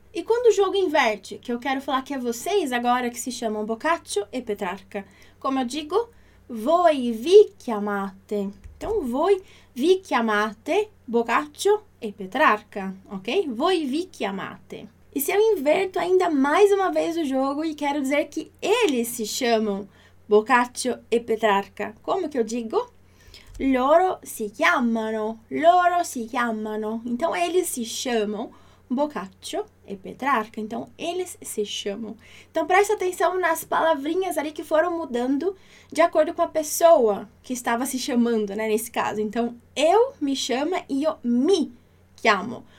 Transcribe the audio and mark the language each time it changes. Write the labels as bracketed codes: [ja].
[pt] E quando o jogo inverte, que eu quero falar que é vocês agora que se chamam Boccaccio e Petrarca, como eu digo, [it] voi vi chiamate. [pt] Então, [it] voi vi chiamate Boccaccio e Petrarca, [pt] ok? [it] Voi vi chiamate. [pt] E se eu inverto ainda mais uma vez o jogo e quero dizer que eles se chamam Boccaccio e Petrarca, como que eu digo? [it] Loro si chiamano, loro si chiamano. [pt] Então, eles se chamam Boccaccio e Petrarca. Então, eles se chamam. Então, presta atenção nas palavrinhas ali que foram mudando de acordo com a pessoa que estava se chamando, né, nesse caso. Então, eu me chamo e eu me chamo.